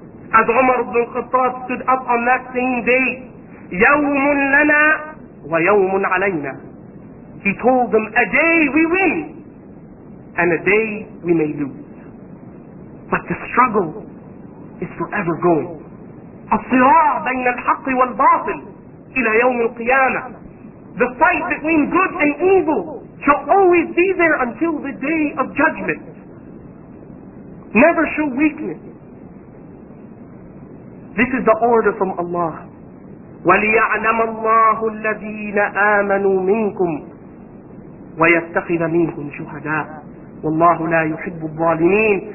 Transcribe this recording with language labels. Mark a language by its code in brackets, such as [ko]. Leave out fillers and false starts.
[en] As Umar ibn al-Khattab stood up on that same day, [ar] يوم لنا ويوم علينا. [en] He told them, a day we win and a day we may lose. But the struggle is forever going. [ar] الصراع بين الحق والباطل إلى يوم القيامة. [en] The fight between good and evil shall always be there until the day of judgment. Never show weakness. This is the order from Allah. [ar] وَلِيَعْلَمَ اللَّهُ الَّذِينَ آمَنُوا مِنْكُمْ وَيَتَّخِذَ مِنْكُمْ شُهَدَاءَ وَاللَّهُ لَا يُحِبُّ الظَّالِمِينَ.